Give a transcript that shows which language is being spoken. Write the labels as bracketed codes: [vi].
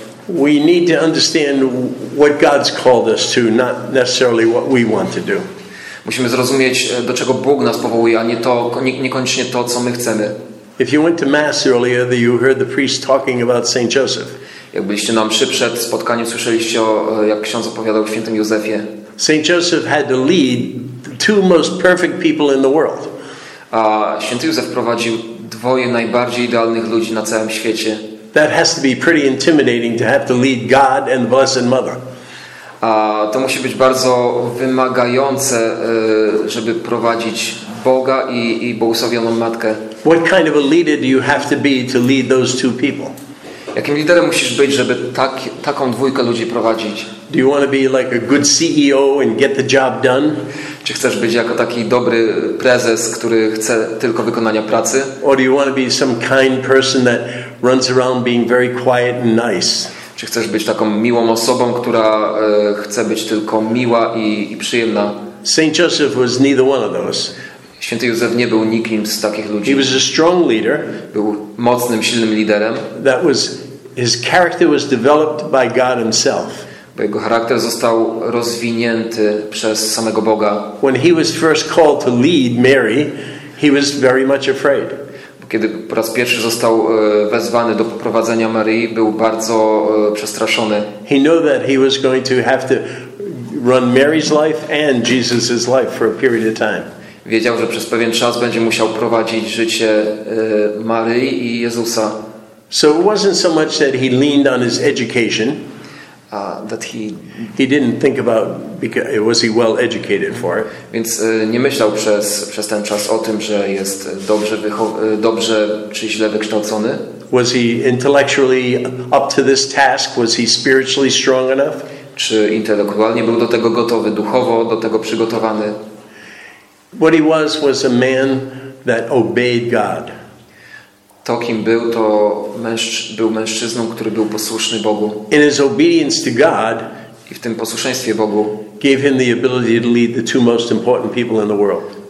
[en] we need to understand what God's called us to, not necessarily what we want to do. [pl] Musimy zrozumieć, do czego Bóg nas powołuje, a nie to, niekoniecznie to, co my chcemy. [en] If you went to mass earlier, you heard the priest talking about Saint Joseph. [pl] Jak byliście na mszy przed spotkaniem, słyszeliście, jak ksiądz opowiadał o świętym Józefie. [en] Saint Joseph had to lead the 2 most perfect people in the world. [pl] A święty Józef prowadził 2 najbardziej idealnych ludzi na całym świecie. [en] That has to be pretty intimidating to have to lead God and the Blessed Mother. [pl] To musi być bardzo wymagające, żeby prowadzić Boga i błogosławioną matkę. [en] What kind of a leader do you have to be to lead those 2 people? [pl] Jakim liderem musisz być, żeby taką dwójkę ludzi prowadzić? [en] Do you want to be like a good CEO and get the job done? [pl] Czy chcesz być jako taki dobry prezes, który chce tylko wykonania pracy? [en] Or do you want to be some kind person that runs around being very quiet and nice? [pl] Czy chcesz być taką miłą osobą, która chce być tylko miła i przyjemna? [en] Saint Joseph was neither one of those. [pl] Święty Józef nie był nikim z takich ludzi. [en] He was a strong leader. [pl] Był mocnym, silnym liderem. [en] That was his character was developed by God himself. [pl] Bo jego charakter został rozwinięty przez samego Boga. [en] When he was first called to lead Mary, he was very much afraid. [pl] Kiedy po raz pierwszy został wezwany do poprowadzenia Maryi, był bardzo przestraszony. [en] He knew that he was going to have to run Mary's life and Jesus's life for a period of time. [pl] Wiedział, że przez pewien czas będzie musiał prowadzić życie Maryi i Jezusa. [en] So it wasn't so much that he leaned on his education. That he didn't think about because was he well educated for it. [pl] Więc nie myślał przez ten czas o tym, że jest dobrze czy źle wykształcony. [en] Was he intellectually up to this task? Was he spiritually strong enough? [pl] Czy intelektualnie był do tego gotowy, duchowo do tego przygotowany? [en] What he was a man that obeyed God. [pl] To kim był, to był mężczyzną, który był posłuszny Bogu. [en] In his obedience to God, [pl] i w tym posłuszeństwie Bogu, [en] gave him the ability to lead the 2 most important people in the world.